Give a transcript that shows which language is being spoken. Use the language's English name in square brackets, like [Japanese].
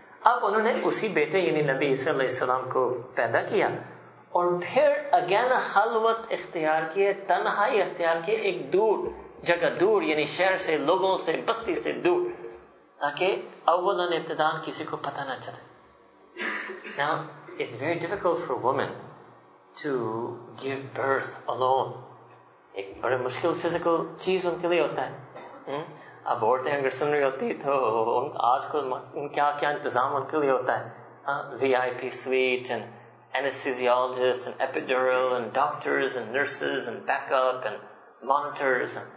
[Urdu] اب انہوں نے اسی بیٹے یعنی نبی عیسیٰ علیہ السلام کو پیدا کیا اور پھر اگین خلوت اختیار کیا, تنہائی اختیار کیا, ایک دور جگہ, دور یعنی شہر سے, لوگوں سے, بستی سے دور, تاکہ اول ابتدا کسی کو پتہ نہ چلے. [English] Now it's very difficult for a woman to give birth alone. [Urdu] ایک بڑے مشکل فزیکل چیز ان کے لیے ہوتا ہے. اب عورتیں اگر سن رہی ہوتی تو آج کل کیا انتظام ان کے لیے ہوتا ہے, [English] VIP suite and anesthesiologist and epidural and doctors and nurses and backup and monitors.